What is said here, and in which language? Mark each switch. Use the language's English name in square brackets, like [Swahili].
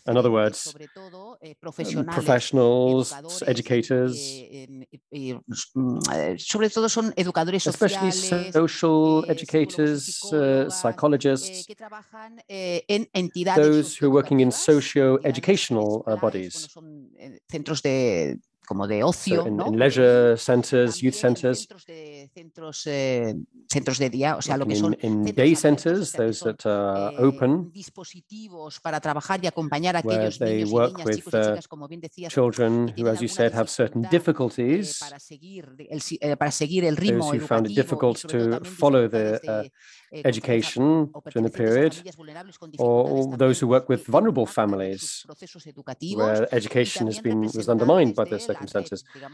[English] In other words, professionals, educators, [Spanish] y sobre todo son educadores sociales, [English] especially social educators, psychologists, [Spanish] que trabajan en entidades, [English] those who are working in socio-educational bodies, [Spanish] centros de como de ocio, [English] so in leisure centers, youth centers, [Spanish] centros de día, o sea, lo que son [English] in day centers, those that are open, [Spanish] dispositivos para trabajar y acompañar a aquellos niños y niñas, chicos y chicas, como bien decías, [English] children who, as you said, have certain difficulties, [Spanish] para seguir el ritmo educativo, [English] those who found it difficult to follow the education during the period, or those who work with vulnerable families where education has been was undermined by the circumstances.